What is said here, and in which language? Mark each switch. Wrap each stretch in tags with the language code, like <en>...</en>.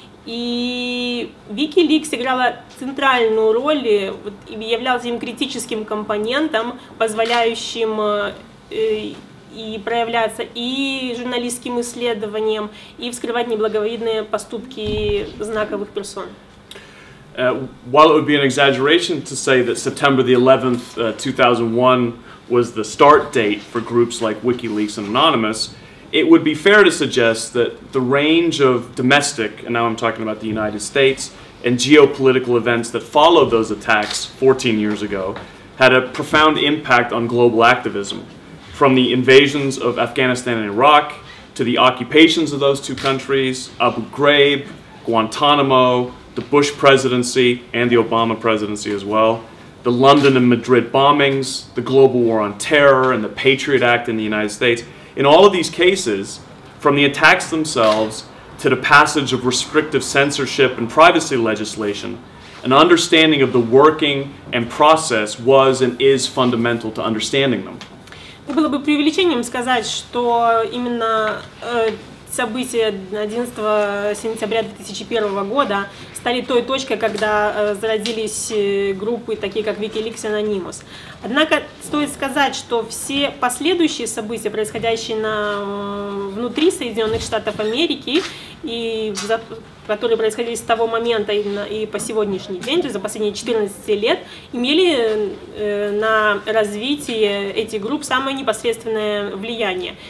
<ru>И WikiLeaks играла центральную роль и являлась им критическим компонентом, позволяющим и проявляться и журналистским исследованием, и вскрывать неблаговидные поступки знаковых персон.</ru> <en>While it would be an exaggeration to say that September the 11th, 2001 was the start date for groups like WikiLeaks and Anonymous, it would be fair to suggest that the range of domestic, and now I'm talking about the United States, and geopolitical events that followed those attacks 14 years ago had a profound impact on global activism. from the invasions of Afghanistan and Iraq to the occupations of those two countries, Abu Ghraib, Guantanamo, the Bush presidency, and the Obama presidency as well, the London and Madrid bombings, the global war on terror, and the Patriot Act in the United States. In all of these cases, from the attacks themselves to the passage of restrictive censorship and privacy legislation, an understanding of the working and process was and is fundamental to understanding them.</en> <ru>Было бы преувеличением сказать, что именно события 11 сентября 2001 года стали той точкой, когда зародились группы, такие как WikiLeaks и Anonymous. Однако стоит сказать, что все последующие события, происходящие внутри Соединенных Штатов Америки, и которые происходили с того момента и по сегодняшний день, то есть за последние 14 лет, имели на развитие этих групп самое непосредственное влияние.</ru>